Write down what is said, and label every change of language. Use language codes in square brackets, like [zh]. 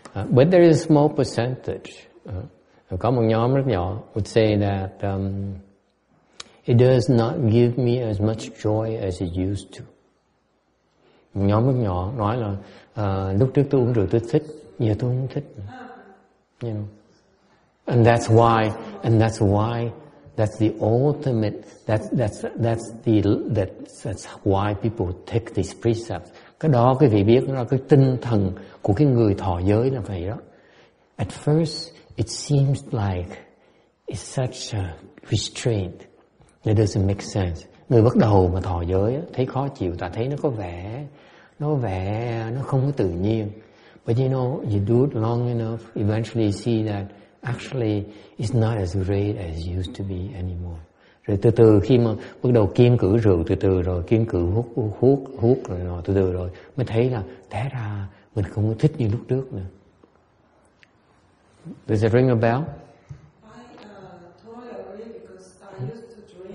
[en] But there is a small percentage. [vi] Có một nhóm rất nhỏ [en] would say that it does not give me as much joy as it used to. [vi] nhỏ mức nhỏ nói là lúc trước tôi uống rượu tôi thích, giờ tôi không thích. [en] You know? And that's why that's the ultimate, that's why people take this precept. [vi] Cái đó quý vị biết là cái tinh thần của cái người thọ giới là vậy đó. [en] At first it seems like it's such a restraint. It doesn't make sense. [vi] Người bắt đầu mà thọ giới thấy khó chịu, ta thấy nó không có tự nhiên. [en] But you know, you do it long enough, eventually see that actually it's not as great as it used to be anymore. [vi] Rồi từ từ khi mà bắt đầu kiên cử rượu từ từ rồi, kiên cử hút rồi từ từ rồi, mới thấy là té ra mình không có thích như lúc trước nữa. [en] Does it ring a bell? I totally agree because I used to drink.